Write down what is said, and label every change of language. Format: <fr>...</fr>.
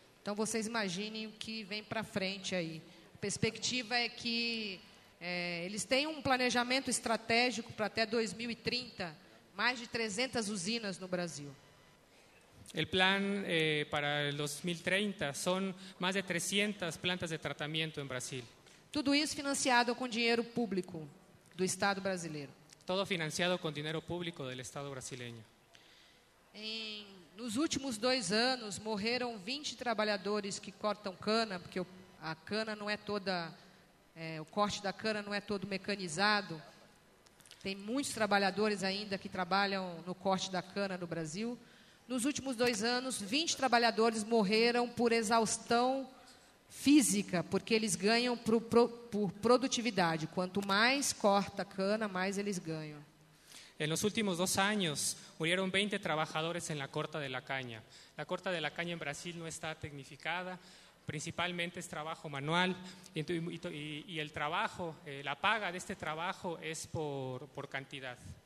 <pt>Então vocês imaginem o que vem para frente aí. A perspectiva é que eles têm um planejamento estratégico para até 2030, mais de 300 usinas no Brasil.</pt> <es>El plan para el 2030 son más de 300 plantas de tratamiento en Brasil. Todo eso financiado con dinero público del Estado brasileño. Todo financiado con dinero público del Estado brasileño. En los últimos 2 años murieron 20 trabajadores que cortan cana, porque la cana no es toda, el corte de la cana no es todo mecanizado. Hay muchos trabajadores ainda que trabajan no corte de la cana no Brasil.</es> <pt>Nos últimos 2 anos, 20 trabalhadores morreram por exaustão física, porque eles ganham por produtividade. Quanto mais corta a cana, mais eles ganham.</pt> <es>En los últimos 2 años, murieron 20 trabajadores en la corta de la caña. La corta de la caña en Brasil no está tecnificada, principalmente es trabajo manual, y el trabajo, la paga de este trabajo es por cantidad.</es>